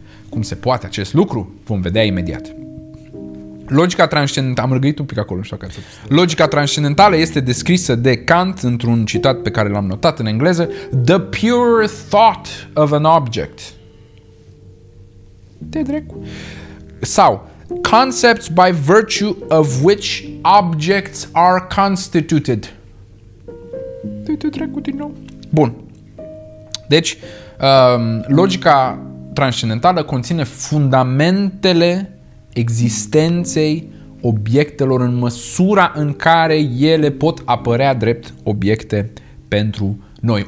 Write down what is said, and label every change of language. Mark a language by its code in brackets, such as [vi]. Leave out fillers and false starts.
[ro] Cum se poate acest lucru? Vom vedea imediat. Logica transcendentală, am râgăit un pic acolo, nu știu dacă ați spus. Logica transcendentală este descrisă de Kant într-un citat pe care l-am notat în engleză: [en] "The pure thought of an object." [ro] De drecu. Sau [en] "concepts by virtue of which objects are constituted." [ro] De drecu din nou. Bun. Deci, logica transcendentală conține fundamentele existenței obiectelor în măsura în care ele pot apărea drept obiecte pentru noi.